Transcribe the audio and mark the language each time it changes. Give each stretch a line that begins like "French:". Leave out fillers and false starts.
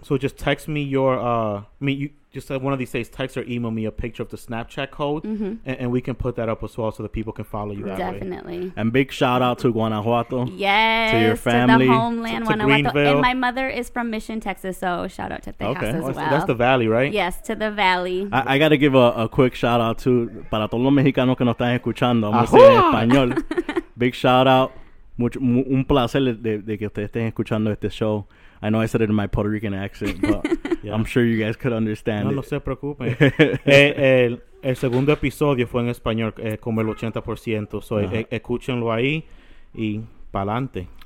English: So just text me one of these days, text or email me a picture of the Snapchat code, and we can put that up as well so that people can follow you that definitely. Way. Definitely. And big shout out to Guanajuato. Yes. To your family. To the homeland, to Guanajuato. And my mother is from Mission, Texas, so shout out to Texas So that's the valley, right? Yes, to the valley. I got to give a quick shout out to,
Spanish: para todos los mexicanos que nos están escuchando, vamos a decir en español.
English: Big shout out.
Spanish: Un placer de que ustedes estén escuchando este show.
English: I know I said it in my Puerto Rican accent, but yeah. I'm sure you guys could understand
Spanish: No se preocupen. el segundo episodio fue en español, como el 80%. So escúchenlo ahí y pa'lante.